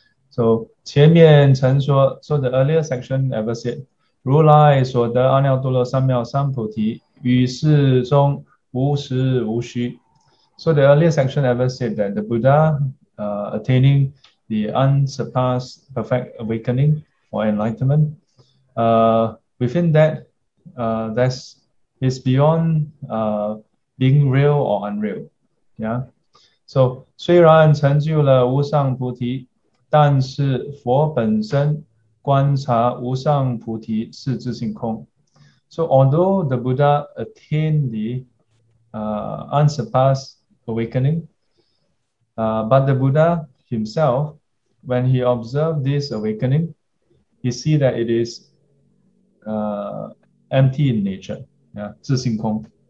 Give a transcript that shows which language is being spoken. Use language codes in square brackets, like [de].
[zh] So, 前面曾说, [en] so the earlier section ever said, [zh] 如来所得阿耨多罗三藐三菩提，于世中无时无虚. [en] So the earlier section ever said that the Buddha attaining the unsurpassed perfect awakening or enlightenment, within that, that's is beyond being real or unreal. Yeah. [zh] So 虽然成就了无上菩提，但是佛本身 观察无上菩提是自性空. [en] So although the Buddha attained the unsurpassed awakening, but the Buddha himself, when he observed this awakening, he see that it is empty in nature. Yeah, 自性空.